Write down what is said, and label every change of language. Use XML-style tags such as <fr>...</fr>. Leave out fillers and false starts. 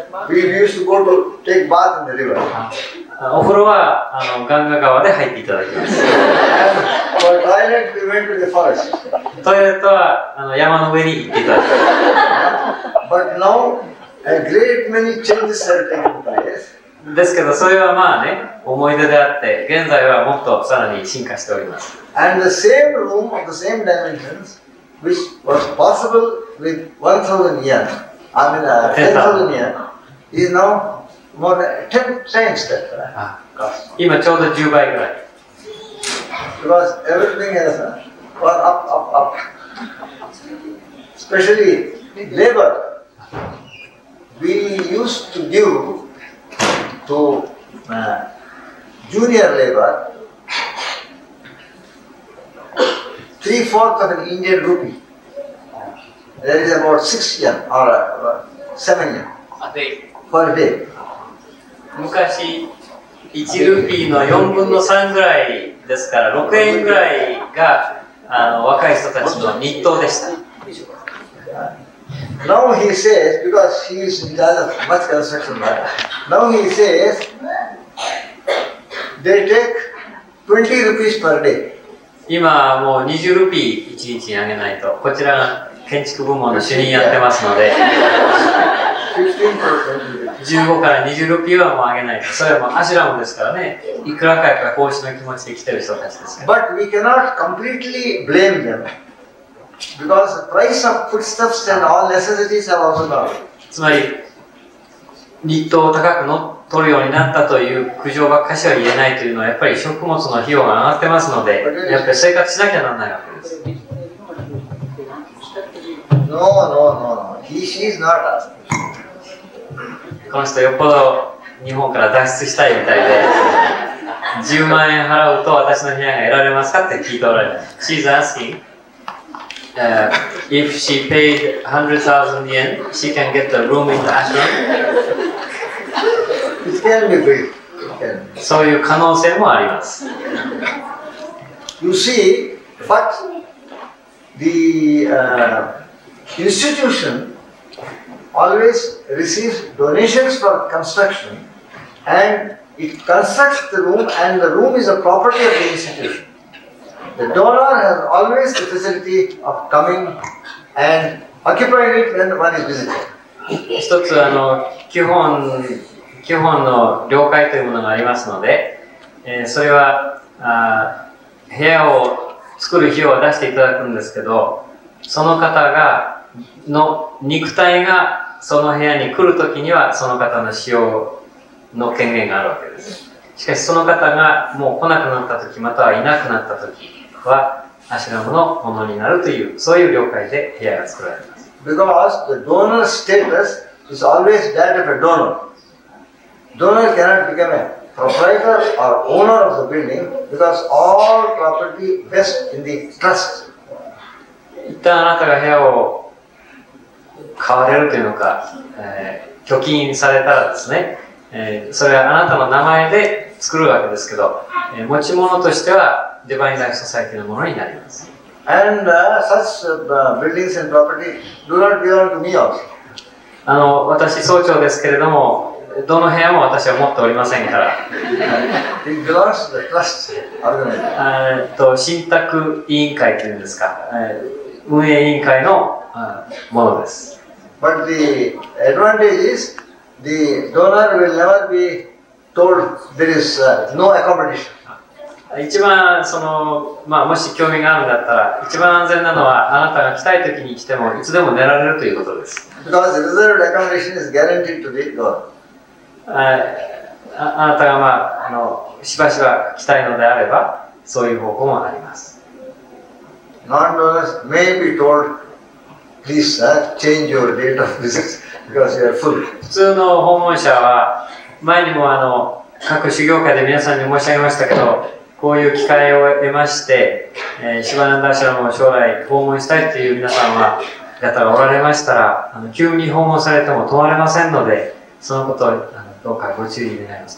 <en>We used to go to take bath in the river.</en> <ja>お風呂はあのガンガ川で入っていただきます。トイレットはあの山の上に行っていただきます。</ja> <en>But now, a great many changes are taking place.</en> <ja>ですけど、それはまあね、思い出であって、現在はもっとさらに進化しております。</ja> <en>And the same room of the same dimensions, which was possible with 1,000 yen, I mean 10,000 yen, is now more than 10 times that.</en> <ja>今ちょうど10倍ぐらい。</ja> <en>Because everything has gone up, up, up. Especially labor. We used to give to junior labor 3/4 of an Indian rupee. That is about 6 yen or 7 yen per day.</en> <ja>昔1ルピーの4分の3ぐらいですから、6円ぐらいがあの若い人たちの日当でした。</ja> <en>Now he says, because he is in charge of much construction matter, now he says, they take 20 rupees per day.</en> <ja>今もう20ルピー1日にあげないと、こちらが建築部門の主任やってますので。 15から20ルピーはもうあげないと。それはもうアシュラムですからね。いくらかやっぱ奉仕の気持ちで来てる人たちですから。</ja> <en>But we cannot completely blame them. Because the price of foodstuffs and all necessities have also gone.</en> <ja>つまり、日当を高くの取るようになったという苦情ばっかしは言えないというのは、やっぱり食物の費用が上がってますので、やっぱり生活しなきゃならないわけです。</ja> <en>No, no, no, no. He, she is not us.</en> <ja>この人よっぽど日本から脱出したいみたいで10万円払うと私の部屋が得られますかって聞いておられる。</ja> <en>She's asking、if she paid 100,000 yen she can get a room in the ashram. It can be free.</en> <ja>そういう可能性もあります。</ja> <en>You see, but the、institutionalways receives donations for construction and it constructs the room and the room is a property of the institution. The donor has always the facility of coming and occupying it when one is visiting.</en> <ja>一つあの基本の了解というものがありますので、それは部屋を作る費用を出していただくんですけど、その方がの肉体がその部屋に来るときにはその方の使用の権限があるわけです。しかしその方がもう来なくなったときまたはいなくなったときはアシュラムのものになるというそういう了解で部屋が作られます。</ja> <en>Because the donor status is always that of a donor. Donor cannot become a proprietor or owner of the building because all property vests in the trust.</en> <ja>一旦あなたが部屋を買われるというのか、貯金されたらですね、それはあなたの名前で作るわけですけど、持ち物としてはデバイン・ライフ・ソサイティのものになります。</ja> <en>And such buildings and property do not belong to me also.</en> <ja>あの私総長ですけれども、どの部屋も私は持っておりませんから。</ja> <en>It belongs to the trust organization.</en> <ja>信託委員会というんですか、運営委員会のものです。</ja> <en>But the advantage is the donor will never be told there is no accommodation.</en> <ja>一番その、まあ、もし興味があるんだったら一番安全なのはあなたが来たい時に来てもいつでも寝られるということです。</ja> <en>Because reserved accommodation is guaranteed to be good.</en> <ja>あなたが、まあ、あのしばしば来たいのであればそういう方法もあります。</ja> <en>Non-donors may be told. Please, sir, change your date of visit</en> <ja>普通の訪問者は前にもあの各修行会で皆さんに申し上げましたけど、こういう機会を得まして、シバナンダーシャラムを将来訪問したいという皆さんは方がおられましたら、あの急に訪問されても問われませんので、そのことをあのどうかご注意願います。</ja>